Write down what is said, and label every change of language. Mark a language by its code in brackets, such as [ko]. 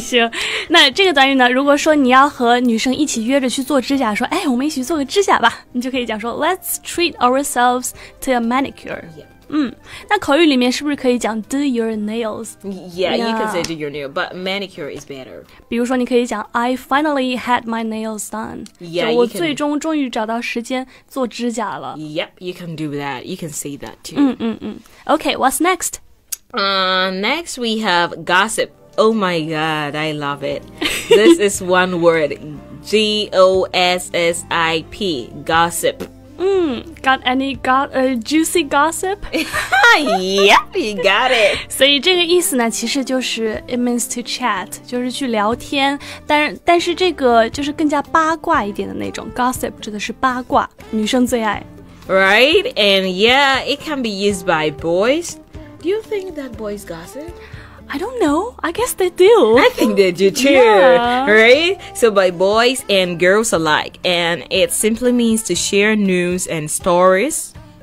[zh] 行，那这个短语呢，如果说你要和女生一起约着去做指甲，说哎，我们一起做个指甲吧，你就可以讲说 [en] Let's treat ourselves to a manicure. Yeah. [zh] 那口语里面是不是可以讲 [en] Do your nails? Yeah, you can say do your nails, but manicure is better. [zh] 比如说你可以讲 [en] I finally had my nails done. Yeah, [zh] 就我最终终于找到时间做指甲了。 [en] Yep, you can do that. You can say that too. Okay, what's next? Next we have gossip. Oh my god, I love it. This is one word. G-O-S-S-I-P. Gossip. Got any juicy gossip? Yep, you got it. [zh] 所以这个意思呢其实就是 [en] it means to chat, [zh] 就是去聊天。但是这个就是更加八卦一点的那种。Gossip 指的是八卦。女生最爱。 [en] Right? And yeah, it can be used by boys. Do you think that boys gossip? I don't know. I guess they do. I think they do too. Yeah. Right? So by boys and girls alike. And it simply means to share news and stories.